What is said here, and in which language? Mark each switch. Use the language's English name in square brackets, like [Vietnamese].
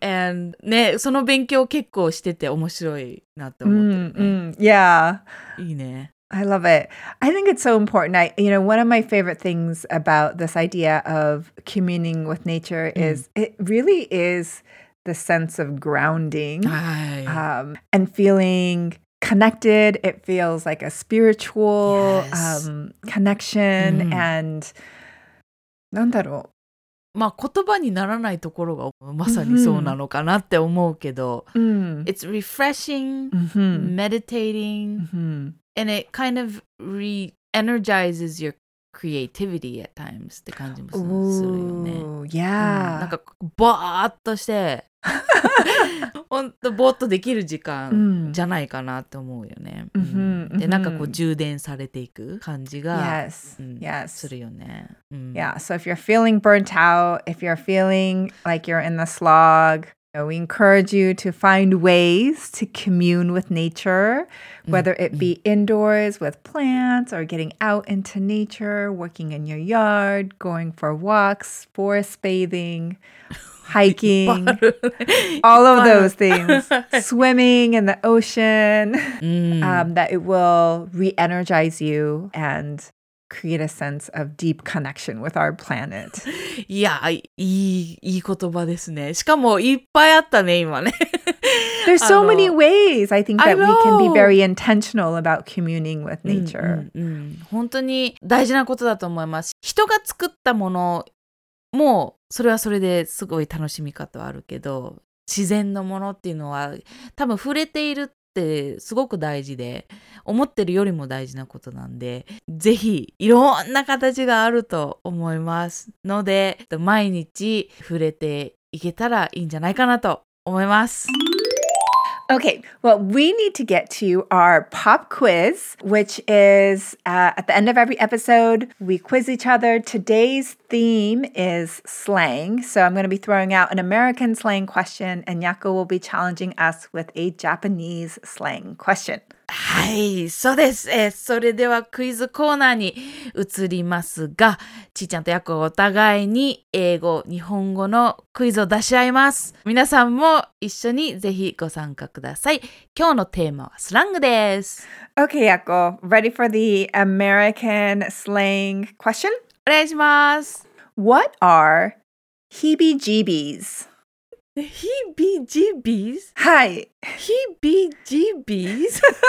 [Japanese] And ね、その勉強結構してて面白いなと思ってる、ね。 [English] Yeah. [Japanese] いいね。 [English] I love it. I think it's so important. I, you know, one of my favorite things about this idea of communing with nature is it really is the sense of grounding and feeling connected. It feels like a spiritual connection and [Japanese] 何だろう。まあ言葉にならないところがまさにそうなのかなって思うけど、 [English] It's refreshing, meditating, and it kind of re-energizes your creativity at times [Japanese] って感じもするよね。なんかぼーっとして、本当ぼーっとできる時間じゃないかなって思うよね。でなんかこう充電されていく感じが、するよね。 [English] Yeah, so if you're feeling burnt out, if you're feeling like you're in the slog, you know, we encourage you to find ways to commune with nature, whether it be indoors with plants or getting out into nature, working in your yard, going for walks, forest bathing, hiking, all of those things, swimming in the ocean, that it will re-energize you and... create a sense of deep connection with our planet. [Japanese] いや、いい言葉ですね。しかもいっぱいあったね、今ね。 [English] There's so many ways I think that we can be very intentional about communing with nature. [Japanese] 本当に大事なことだと思います。人が作ったものもそれはそれですごい楽しみ方はあるけど、自然のものっていうのは多分触れているってすごく大事で思ってるよりも大事なことなんでぜひいろんな形があると思いますので毎日触れていけたらいいんじゃないかなと思います [English] Okay, well we need to get to our pop quiz which is at the end of every episode we quiz each other Today's theme is slang So I'm going to be throwing out an American slang question and Yako will be challenging us with a Japanese slang question [Japanese] はい、そうです、それではクイズコーナーに移りますがちーちゃんとヤコお互いに英語、日本語のクイズを出し合います皆さんも一緒にぜひご参加ください今日のテーマはスラングです [English] OK ヤコ、ready for the American slang question? [Japanese] お願いします [English] What are heebie-jeebies? Heebie-jeebies? [Japanese] はい [English] Heebie-jeebies?